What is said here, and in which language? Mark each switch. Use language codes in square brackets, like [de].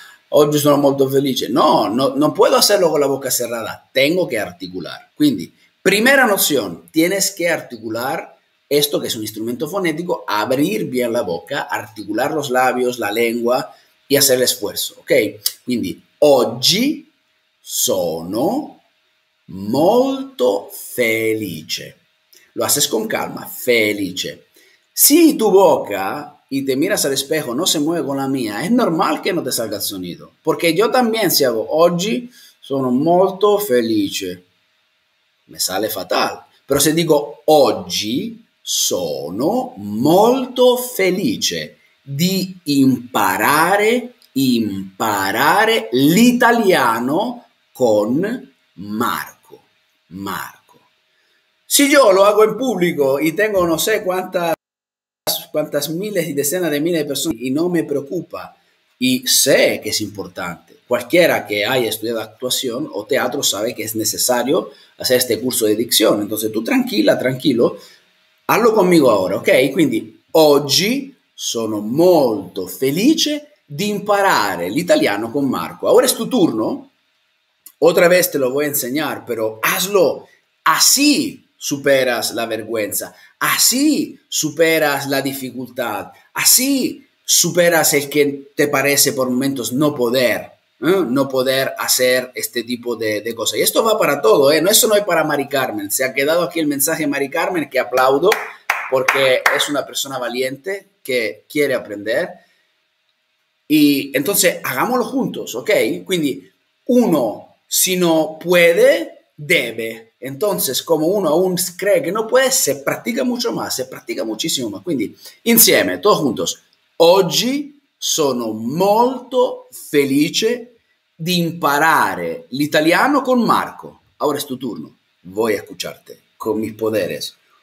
[it] Oggi sono molto felice. [es] No, puedo hacerlo con la boca cerrada, tengo que articular. Quindi, primera noción, tienes que articular esto que es un instrumento fonético, abrir bien la boca, articular los labios, la lengua. Y hacer el esfuerzo, ¿ok? [it] Quindi, oggi sono molto felice. [es] Lo haces con calma, felice. Si tu boca y te miras al espejo no se mueve con la mía, es normal que no te salga el sonido. Porque yo también si hago [it] oggi sono molto felice. [es] Me sale fatal. Pero si digo [it] oggi sono molto felice di imparare. Imparare l'italiano con Marco. Marco. [es] Si yo lo hago en público y tengo no sé cuántas miles y decenas de miles de personas y no me preocupa y sé que es importante, cualquiera que haya estudiado actuación o teatro sabe que es necesario hacer este curso de dicción. Entonces tú tranquila, tranquilo, hazlo conmigo ahora, ¿ok? [it] Quindi oggi sono molto felice di imparare l'italiano con Marco. [es] Ahora es tu turno. Otra vez te lo voy a enseñar, pero hazlo. Así superas la vergüenza. Así superas la dificultad. Así superas el que te parece por momentos no poder. No poder hacer este tipo de cosas. Y esto va para todo, ¿eh? No, eso no es para Mari Carmen. Se ha quedado aquí el mensaje de Mari Carmen, que aplaudo porque es una persona valiente que quiere aprender. Y entonces hagámoslo juntos, ¿ok? Quindi uno, si no puede, debe. Entonces, como uno aún cree que no puede, se practica mucho más, se practica muchísimo más. [it] Quindi, insieme, todos juntos. Oggi sono molto felice di imparare l'italiano con Marco. [es] Ahora es tu turno. Voy a escucharte con mis poderes.